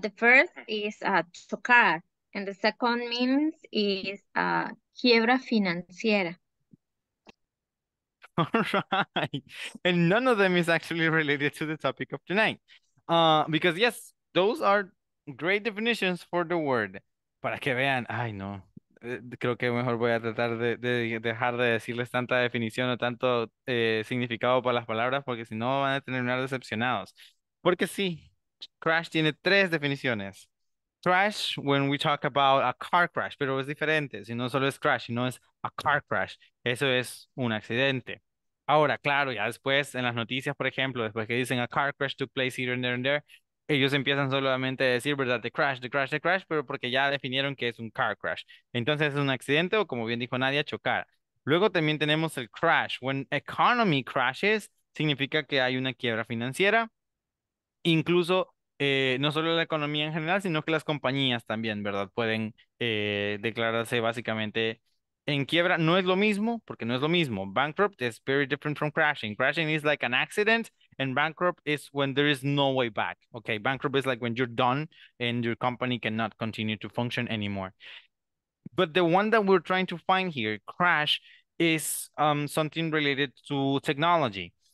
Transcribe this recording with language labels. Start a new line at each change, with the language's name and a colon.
English: The first is tocar. And the second means is quiebra financiera. All right. And none of them is actually related to the topic of tonight. Because yes, those are great definitions for the word.
Spanish: Para que vean, ay no, creo que mejor voy a tratar de dejar de decirles tanta definición o tanto significado para las palabras, porque si no van a terminar decepcionados. Porque sí, crash tiene tres definiciones. Crash,
English: when we talk about a car crash,
Spanish: pero es diferente, si no solo es crash, sino es a car crash, eso es un accidente. Ahora, claro, ya después en las noticias, por ejemplo, después que dicen
English: a car crash took place here and there,
Spanish: ellos empiezan solamente a decir, ¿verdad? The crash, pero porque ya definieron que es un car crash. Entonces es un accidente o, como bien dijo Nadia, chocar. Luego también tenemos el crash.
English: When economy crashes,
Spanish: significa que hay una quiebra financiera, incluso no solo la economía en general, sino que las compañías también, ¿verdad? Pueden declararse básicamente en quiebra. No es lo mismo, porque no es lo mismo.
English: Bankrupt is very different from crashing. Crashing is like an accident, and bankrupt is when there is no way back. Okay, bankrupt is like when you're done and your company cannot continue to function anymore. But the one that we're trying to find here, crash, is something related to technology.